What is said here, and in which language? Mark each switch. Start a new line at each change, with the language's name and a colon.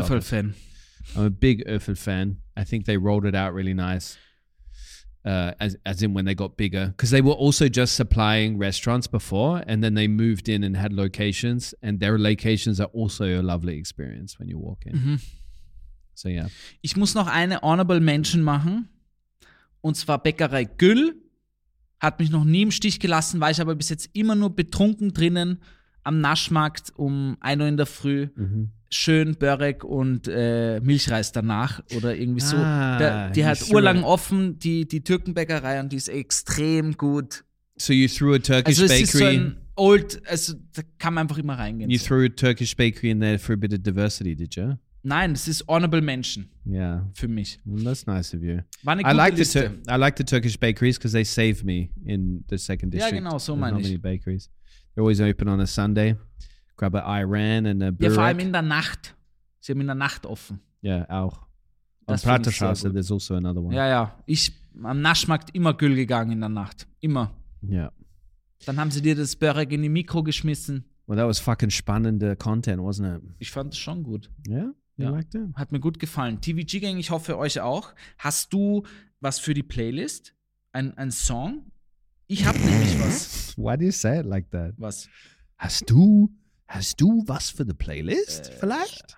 German: Du bist Öffel fan.
English: I'm a big Öffel fan. I think they rolled it out really nice, as in when they got bigger. Because they were also just supplying restaurants before, and then they moved in and had locations, and their locations are also a lovely experience when you walk in. Mm-hmm. So, yeah.
German: Ich muss noch eine
English: honorable mention
German: machen, und zwar Bäckerei Güll. Hat mich noch nie im Stich gelassen, war ich aber bis jetzt immer nur betrunken drinnen am Naschmarkt um 1 Uhr in der Früh. Mhm. Schön Börek und Milchreis danach oder irgendwie so. Die hat urlang offen, die Türkenbäckerei, und die ist extrem gut.
English: So you threw a Turkish bakery.
German: Also es ist so ein
English: old,
German: also da kann man einfach immer reingehen.
English: You so. Threw a Turkish bakery in there for a bit of diversity, did you?
German: Nein, es ist honorable mention.
English: Yeah.
German: Für mich.
English: Well, that's nice of you.
German: War eine gute Liste.
English: I like the Turkish bakeries because they save me in the second district.
German: Ja, genau, so meine ich.
English: Many bakeries. They're always open on a Sunday. Grab a Iran and a Burek.
German: Ja, vor allem in der Nacht. Sie haben in der Nacht offen. Ja, auch. Am Praterstraße,
English: there's also another one.
German: Ja, ja. Ich am Naschmarkt immer Güll gegangen in der Nacht. Immer. Ja. Dann haben sie dir das Börek in die Mikro geschmissen.
English: Well, that was fucking spannende Content, wasn't it?
German: Ich fand es schon gut.
English: Yeah? You
German: ja,
English: you liked it?
German: Hat mir gut gefallen. TVG-Gang, ich hoffe euch auch. Hast du was für die Playlist? Ein Song? Ich hab nämlich was.
English: Why do you say it like that?
German: Was? Hast du was für die Playlist, vielleicht?